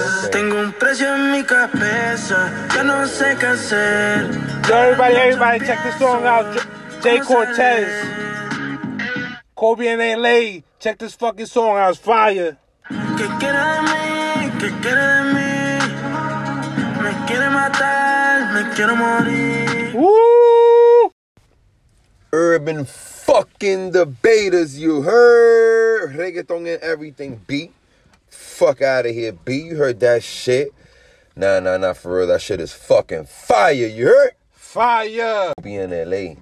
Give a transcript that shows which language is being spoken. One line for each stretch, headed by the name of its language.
Spanish: Tengo un precio en mi cabeza, ya no sé qué hacer.
English: So everybody, check this song out. Jay Cortez, Kobe in LA, check this fucking song out. It's fire.
Spanish: Que quiere de mí, que quiere de mí. Me quiere matar, me quiere morir. Woo!
English: Urban fucking Debaters, you heard? Reggaeton and everything, B. Fuck out of here, B. You heard that shit? Nah, for real. That shit is fucking fire, you heard? Fire! Kobe in LA.